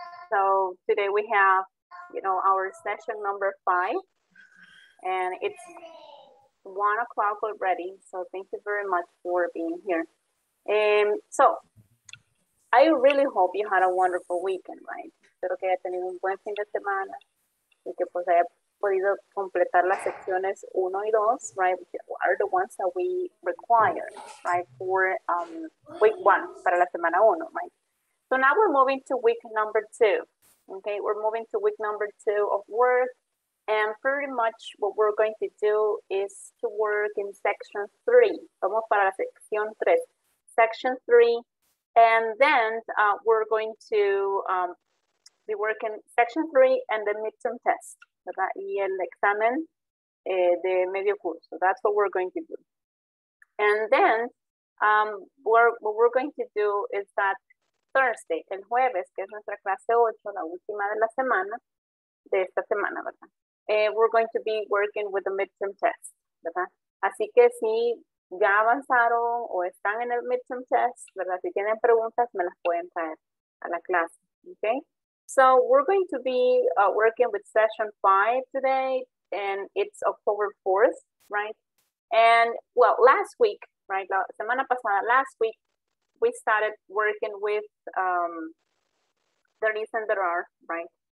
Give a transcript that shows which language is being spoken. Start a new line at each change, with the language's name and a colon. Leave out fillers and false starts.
English: So today we have, you know, our session number 5 and it's 1 o'clock already. So thank you very much for being here. So I really hope you had a wonderful weekend, right?
Spanish: Espero que haya tenido un buen fin de semana y que pues haya podido completar las secciones 1 y 2, right?
English: Which are the ones that we require, right? For week 1,
Spanish: para la semana 1,
English: right? So now we're moving to week number 2, okay? We're moving to week number 2 of work. And pretty much what we're going to do is to work in section 3.
Spanish: Vamos para la sección 3.
English: Section 3. And then we're going to be working section 3 and the midterm test, ¿verdad?
Spanish: Y el examen de medio curso.
English: That's what we're going to do. And then what we're going to do is that Thursday,
Spanish: el jueves, que es nuestra clase 8, la última de la semana, de esta semana, ¿verdad?
English: We're going to be working with the midterm test, ¿verdad?
Spanish: Así que si ya avanzaron o están en el midterm test, ¿verdad? Si tienen preguntas, me las pueden traer a la clase, okay?
English: So we're going to be working with session 5 today, and it's October 4th, right? And, well, last week, right?
Spanish: La semana pasada,
English: last week, we started working with there is and there are, right?